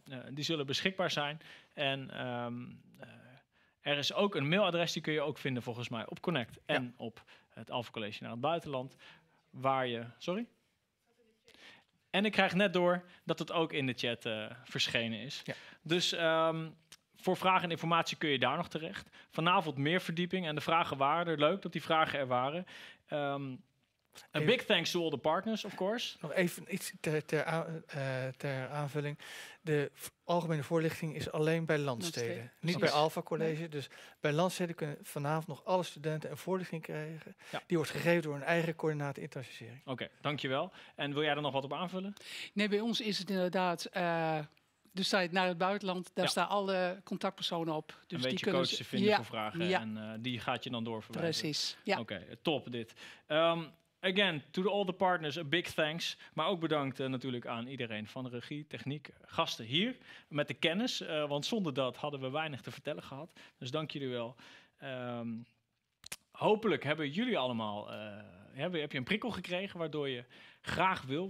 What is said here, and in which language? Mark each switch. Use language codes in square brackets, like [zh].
[nl] Die zullen beschikbaar zijn. En er is ook een mailadres, die kun je ook vinden volgens mij op Connect en op het Alpha College naar het buitenland. En ik krijg net door dat het ook in de chat verschenen is. Ja. Dus voor vragen en informatie kun je daar nog terecht. Vanavond meer verdieping en de vragen waren er. Leuk dat die vragen er waren. [en] A big thanks to all the partners, of course. [nl] Nog even iets ter aanvulling. De algemene voorlichting is alleen bij Landsteden. Niet bij Alpha College. Nee. Dus bij Landsteden kunnen vanavond nog alle studenten een voorlichting krijgen. Ja. Die wordt gegeven door een eigen coördinaat internationalisering. Oké, dankjewel. En wil jij er nog wat op aanvullen? Nee, bij ons is het inderdaad. De site naar het buitenland, daar staan alle contactpersonen op. Dus een beetje die coaches vinden voor vragen. Ja. En die gaat je dan doorverwijzen. Precies. Ja. Oké, top dit. [en] Again, to all the partners, a big thanks. [nl] Maar ook bedankt natuurlijk aan iedereen van de regie, techniek, gasten hier met de kennis. Want zonder dat hadden we weinig te vertellen gehad. Dus dank jullie wel. Hopelijk hebben jullie allemaal, heb je een prikkel gekregen waardoor je graag wil.